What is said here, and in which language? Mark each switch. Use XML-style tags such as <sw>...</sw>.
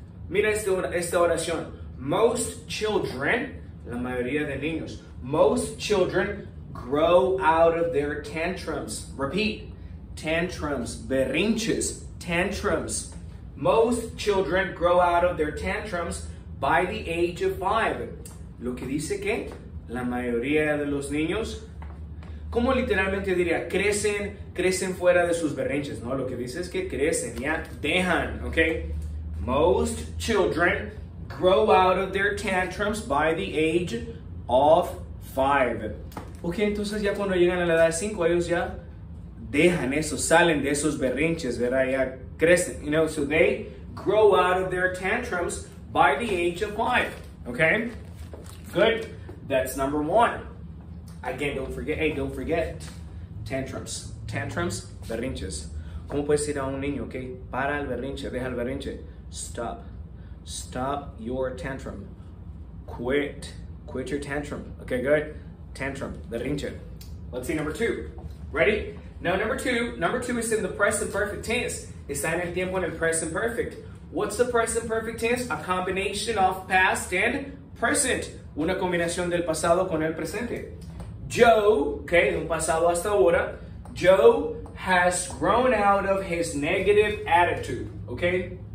<es>Mira esta oración.</es> <en>Most children,</en> <es>la mayoría de niños,</es> <en>most children grow out of their tantrums. Repeat. Tantrums, berrinches, tantrums. Most children grow out of their tantrums by the age of 5.</en> <es>Lo que dice que la mayoría de los niños, como literalmente diría, crecen fuera de sus berrinches, ¿no? Lo que dice es que crecen, ya, dejan, okay?</es> <en>Most children grow out of their tantrums by the age of 5.</en> <es>Okay, entonces ya cuando llegan a la edad de 5, ellos ya dejan eso, salen de esos berrinches, ¿verdad? Ya crecen,</es> <en>you know, so they grow out of their tantrums by the age of 5, okay? Good. That's number one. Again, don't forget.</en> <es>Tantrums, berrinches. ¿Cómo puedes decir a un niño, okay? Para el berrinche, deja el berrinche.</es> <en>Stop. Stop your tantrum. Quit. Quit your tantrum. Okay, good. Tantrum, berrinche. Let's see number two. Ready? Now, number two is in the present perfect tense.</en> <es>Está en el tiempo en el present perfect.</es> <en>What's the present perfect tense? A combination of past and present.</en> <es>Una combinación del pasado con el presente. Joe, okay, de un pasado hasta ahora.</es> <en>Joe has grown out of his negative attitude, okay?</en>